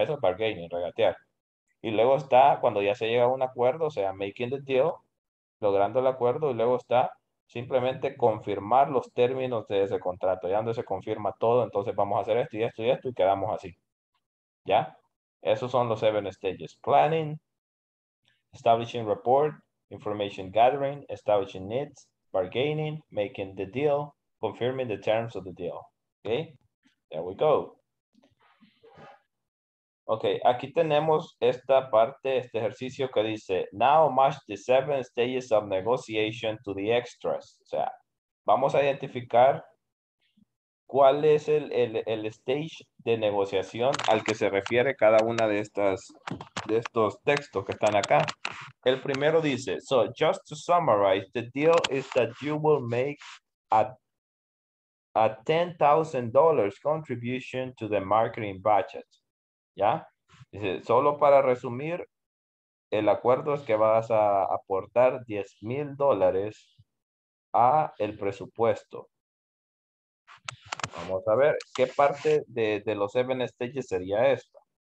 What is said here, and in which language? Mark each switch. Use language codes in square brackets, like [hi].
[es] Eso es bargaining, regatear. Y luego está, cuando ya se llega a un acuerdo, o sea, making the deal, logrando el acuerdo, y luego está simplemente confirmar los términos de ese contrato. Ya donde se confirma todo, entonces vamos a hacer esto y esto y esto, y quedamos así. ¿Ya? Esos son los seven stages. [en] Planning, establishing report, information gathering, establishing needs, bargaining, making the deal, confirming the terms of the deal. Okay, there we go. [es] Okay, aquí tenemos esta parte, este ejercicio que dice, [en] now match the seven stages of negotiation to the extras. [es] O sea, vamos a identificar cuál es el stage de negociación al que se refiere cada una de estas, de estos textos que están acá. El primero dice, [en] so just to summarize, the deal is that you will make a $10,000 contribution to the marketing budget. [es] ¿Ya? Dice, solo para resumir, el acuerdo es que vas a aportar $10,000 a el presupuesto. Vamos a ver, ¿qué parte de los seven stages sería esto?